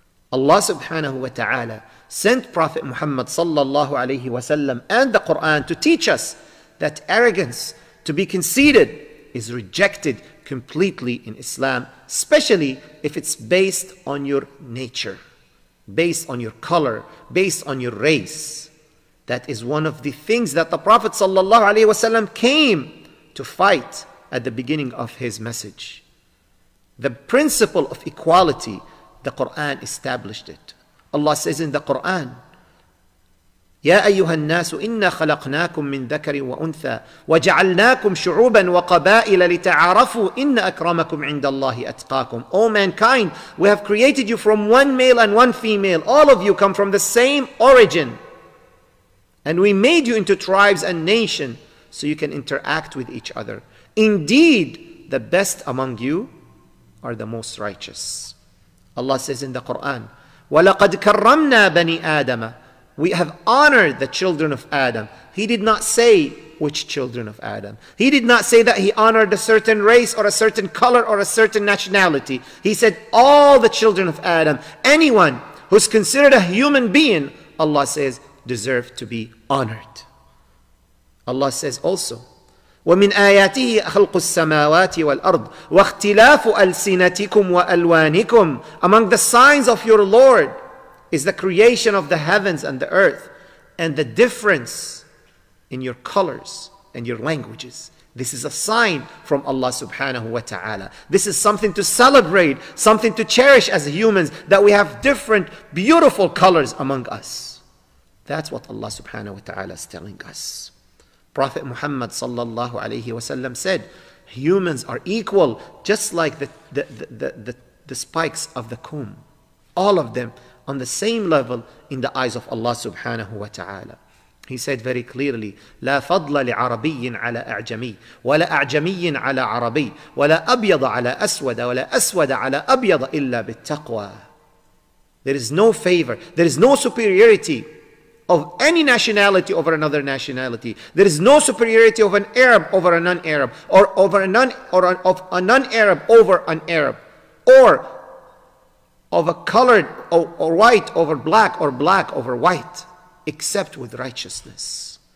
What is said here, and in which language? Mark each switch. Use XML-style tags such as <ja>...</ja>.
<en>Allah subhanahu wa ta'ala sent Prophet Muhammad sallallahu alayhi wa sallam and the Quran to teach us that arrogance, to be conceited, is rejected completely in Islam, especially if it's based on your nature, based on your color, based on your race. That is one of the things that the Prophet sallallahu alayhi wa sallam came to fight at the beginning of his message. The principle of equality, the Quran established it. Allah says in the Quran,</en> <ar>يَا أَيُّهَا النَّاسُ إِنَّا خَلَقْنَاكُمْ مِنْ ذَكَرٍ وَأُنْثَى وَجَعَلْنَاكُمْ شُعُوبًا وَقَبَائِلَ لِتَعَارَفُوا إِنَّ أَكْرَمَكُمْ عِنْدَ اللَّهِ أَتْقَاكُمْ.</ar> <en>O mankind, we have created you from one male and one female. All of you come from the same origin. And we made you into tribes and nation so you can interact with each other. Indeed, the best among you are the most righteous. Allah says in the Quran,</en> <ar>وَلَقَدْ كَرَّمْنَا بَنِي آدَمَ.</ar> <en>We have honored the children of Adam. He did not say which children of Adam. He did not say that he honored a certain race or a certain color or a certain nationality. He said all the children of Adam, anyone who's considered a human being, Allah says, deserve to be honored. Allah says also,</en> <ar>وَمِنْ آيَاتِهِ خَلْقُ السَّمَاوَاتِ وَالْأَرْضِ وَاخْتِلَافُ أَلْسِنَتِكُمْ وَأَلْوَانِكُمْ.</ar> <en>Among the signs of your Lord is the creation of the heavens and the earth and the difference in your colors and your languages. This is a sign from Allah subhanahu wa ta'ala. This is something to celebrate, something to cherish as humans, that we have different beautiful colors among us. That's what Allah subhanahu wa ta'ala is telling us. Prophet Muhammad sallallahu alayhi wa sallam said, humans are equal, just like the spikes of the comb. All of them on the same level in the eyes of Allah subhanahu wa ta'ala. He said very clearly,</en> <ar>لَا فَضْلَ لِعَرَبِيٍ عَلَىٰ أَعْجَمِيٍ وَلَا أَعْجَمِيٍ عَلَىٰ عَرَبِيٍ وَلَا أَبْيَضَ عَلَىٰ أَسْوَدَ وَلَا أَسْوَدَ عَلَىٰ أَبْيَضَ إِلَّا بِالتَّقْوَىٰ.</ar> <en>There is no favor, there is no superiority of any nationality over another nationality. There is no superiority of an Arab over a non-Arab, or of a non-Arab over an Arab, or of a colored or white over black, or black over white, except with righteousness.</en>